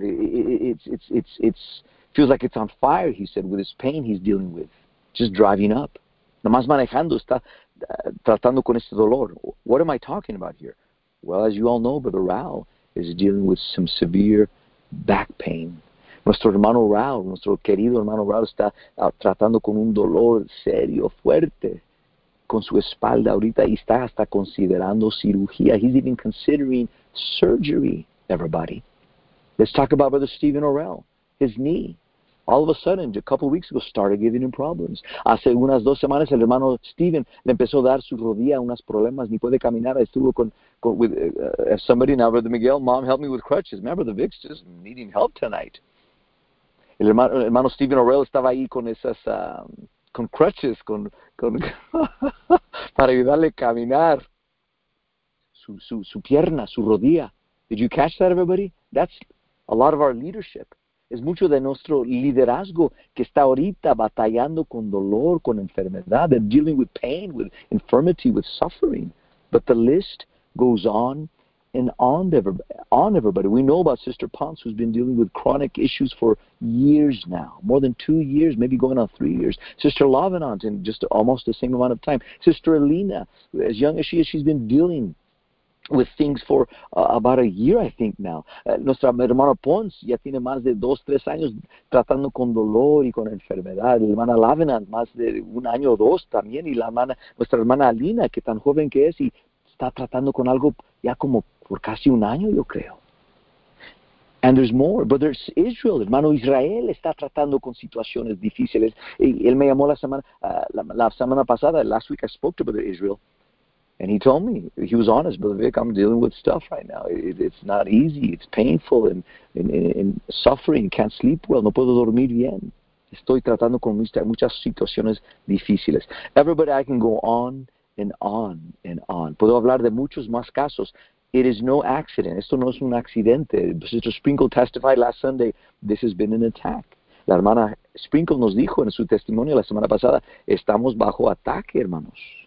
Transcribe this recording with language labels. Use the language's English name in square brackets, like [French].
[English] It feels like it's on fire, he said, with his pain he's dealing with. Just driving up. [Spanish] Nomás manejando, está tratando con este dolor. [English] What am I talking about here? Well, as you all know, Brother Rao is dealing with some severe back pain. [Spanish] Nuestro hermano Rao, nuestro querido hermano Rao, está tratando con un dolor serio, fuerte, con su espalda ahorita, y está hasta considerando cirugía. [English] He's even considering surgery, everybody. Let's talk about Brother Stephen Orell, his knee. All of a sudden, a couple weeks ago, started giving him problems. [Spanish] Hace unas dos semanas, el hermano Stephen le empezó a dar su rodilla unos problemas. Ni puede caminar. Estuvo con somebody. [English] Now, Brother Miguel, mom, help me with crutches. Remember, the Vic's just needing help tonight. [Spanish] El hermano Stephen Orell estaba ahí con esas, con crutches, con para ayudarle a caminar. Su pierna, su rodilla. [English] Did you catch that, everybody? That's a lot of our leadership. [Spanish] Es mucho de nuestro liderazgo que está ahorita batallando con dolor, con enfermedad, [English] and dealing with pain, with infirmity, with suffering. But the list goes on and on, everybody. We know about Sister Ponce, who's been dealing with chronic issues for years now, more than 2 years, maybe going on 3 years. Sister Lavinant, in just almost the same amount of time. Sister Alina, as young as she is, she's been dealing with things for about a year, I think, now. [Spanish] Nuestra hermana Ponce ya tiene más de dos, tres años tratando con dolor y con enfermedad. La hermana Lavinant, más de un año o dos también. Y nuestra hermana Alina, que tan joven que es, y está tratando con algo ya como por casi un año, yo creo. [English] And there's more, but there's Israel. [Spanish] Hermano Israel está tratando con situaciones difíciles. Y él me llamó la semana pasada, [English] last week I spoke to Brother Israel. And he told me, he was honest, Brother Vic, I'm dealing with stuff right now. It's not easy. It's painful and suffering. Can't sleep well. [Spanish] No puedo dormir bien. Estoy tratando con muchas situaciones difíciles. [English] Everybody, I can go on and on and on. [Spanish] Puedo hablar de muchos más casos. [English] It is no accident. [Spanish] Esto no es un accidente. [English] Sister Sprinkle testified last Sunday, this has been an attack. [Spanish] La hermana Sprinkle nos dijo en su testimonio la semana pasada, estamos bajo ataque, hermanos.